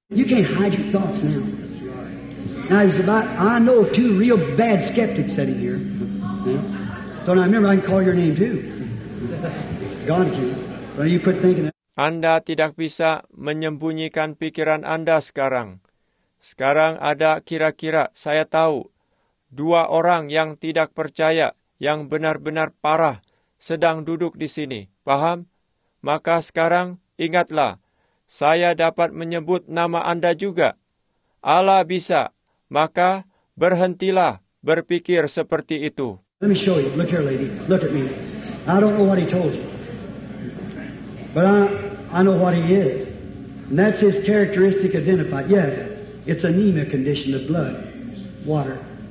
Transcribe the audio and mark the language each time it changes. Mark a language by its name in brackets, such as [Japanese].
[English] You can't hide your thoughts now. Now it's about, I know two real bad skeptics sitting here. So now remember, I can call your name too. God can. [Indonesian] Anda tidak bisa menyembunyikan pikiran Anda sekarang. Sekarang ada kira-kira, saya tahu, dua orang yang tidak percaya, yang benar-benar parah, sedang duduk di sini. Paham? Maka sekarang, ingatlah, saya dapat menyebut nama Anda juga. Allah bisa. Maka berhentilah berpikir seperti itu. [English] Let me show you. Look here, lady. Look at me. I don't know what he told you. But I know what he is. And that's his characteristic identified. Yes, it's anemia condition of blood, water.